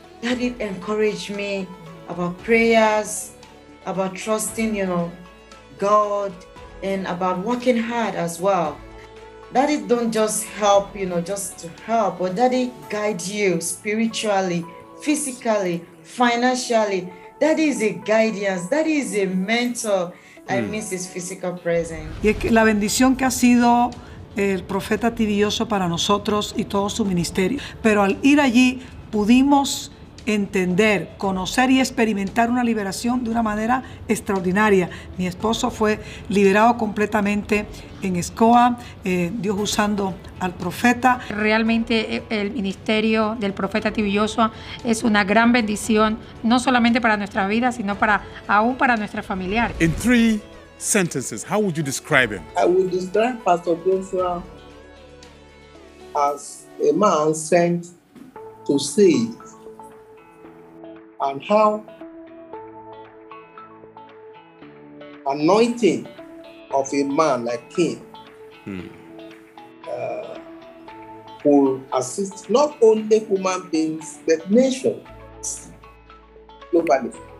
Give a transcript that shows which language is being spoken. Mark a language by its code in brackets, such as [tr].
[en] Daddy encouraged me about prayers, about trusting, you know, God, and about working hard as well. Daddy don't just help, you know, just to help, but Daddy guide you spiritually, physically, financially. Daddy is a guidance, Daddy is a mentor. I miss his physical presence. [es] Y es que la bendición que ha sido el profeta Tibioso para nosotros y todo su ministerio. Pero al ir allí pudimos entender, conocer y experimentar una liberación de una manera extraordinaria. Mi esposo fue liberado completamente en SCOA, Dios usando al profeta. Realmente el ministerio del profeta T.B. Joshua es una gran bendición, no solamente para nuestra vida, sino para aún para nuestra familiar. [en] In three sentences, how would you describe him? I would describe Pastor Joshua as a man sent to see and how anointing of a man like him will assist not only human beings, but nations globally.